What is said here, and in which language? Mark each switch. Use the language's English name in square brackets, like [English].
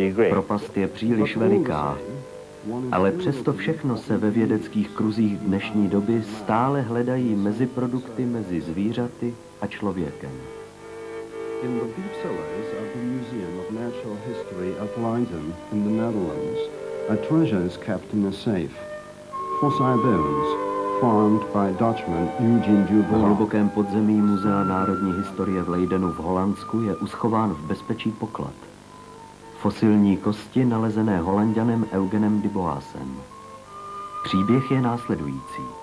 [Czech] Propast je příliš veliká, ale přesto všechno se ve vědeckých kruzích dnešní doby stále hledají meziprodukty mezi zvířaty a člověkem. [English] In the deep cellars of the Museum of Natural History at Leiden in the Netherlands, a treasure is kept in a safe. Fossil bones farmed by Dutchman Eugene Duval. [Czech] V hlubokém podzemí Muzea národní historie v Leidenu v Holandsku je uschován v bezpečí poklad. Fosilní kosti nalezené Holanďanem Eugenem de Boasem. Příběh je následující.